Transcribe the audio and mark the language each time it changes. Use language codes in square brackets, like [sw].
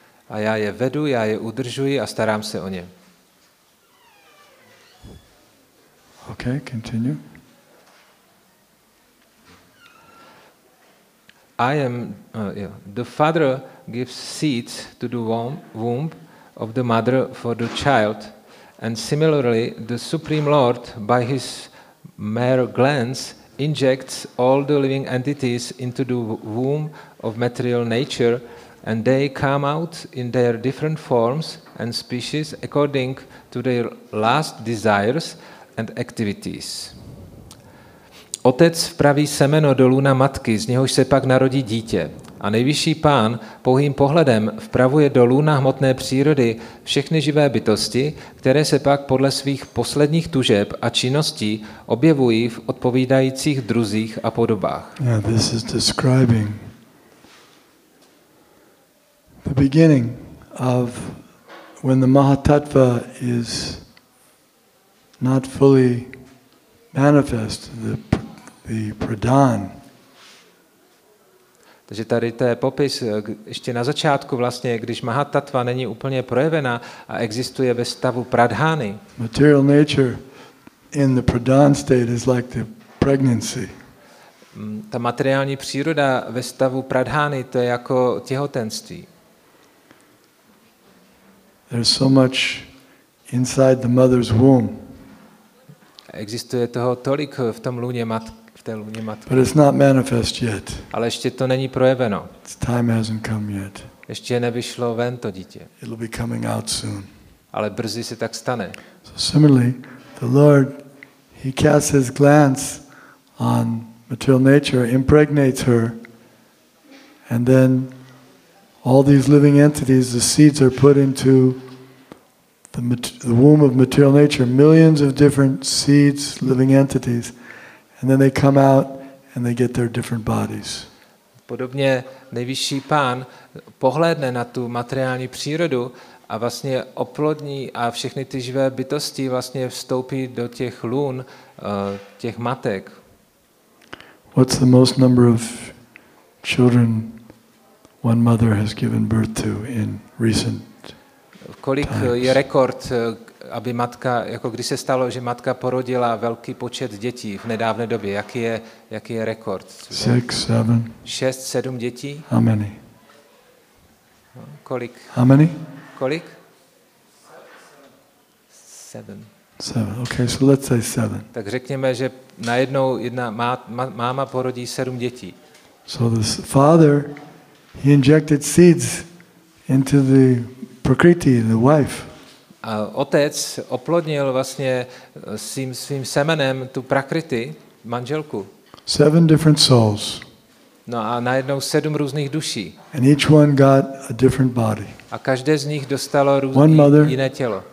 [cs] A já je vedu, já je udržuji a starám se o ně. [en] Okay, continue. I am the father gives seeds to the womb of the mother for the child, and similarly the Supreme Lord by his mere glance injects all the living entities into the womb of material nature, and they come out in their different forms and species according to their last desires and activities. [cs] Otec vpraví semeno do lůna matky, z něhož se pak narodí dítě. A nejvyšší pán pouhým pohledem vpravuje do lůna hmotné přírody všechny živé bytosti, které se pak podle svých posledních tužeb a činností objevují v odpovídajících druzích a podobách. [en] Yeah, this is describing the beginning of when the Mahatattva is not fully manifest, the pradan. [cs] Takže tady to je popis ještě na začátku vlastně, když Mahatattva není úplně projevena a existuje ve stavu pradhány. [en] Material nature in the pradan state is like the pregnancy. [cs] Ta materiální příroda ve stavu pradhány, to je jako těhotenství. [en] There's so much inside the mother's womb. [cs] Existuje toho tolik v tom lůně matky. [en] But it's not manifest yet. [cs] Ale ještě to není projeveno. [en] Its time hasn't come yet. [cs] Ještě nevyšlo ven to dítě. [en] It'll be coming out soon. [cs] Ale brzy se tak stane. [en] So similarly, the Lord, he casts his glance on material nature, impregnates her, and then all these living entities, the seeds are put into the womb of material nature, millions of different seeds, living entities. And then they come out and they get their different bodies. [cs] Podobně nejvyšší pán pohlédne na tu materiální přírodu a vlastně oplodní a všechny ty živé bytosti vlastně vstoupí do těch lůn těch matek. [en] What's the most number of children one mother has given birth to in recent times? [cs] Kolik je rekord, aby matka, jako když se stalo, že matka porodila velký počet dětí v nedávné době, jaký je rekord? 6, 7 dětí? [en] How many? [cs] Kolik? [en] How many? [cs] Kolik? [en] 7. Okay, so let's say 7. [cs] Tak řekněme, že najednou jedna máma porodí 7 dětí. [en] So the father, he injected seeds into the prakriti, the wife. [cs] A otec oplodnil vlastně svým semenem tu prakriti, manželku. [en] 7 different souls. [cs] No a najednou 7 různých duší. [en] And each one got a different body. [cs] A každé z nich dostalo různé jiné tělo.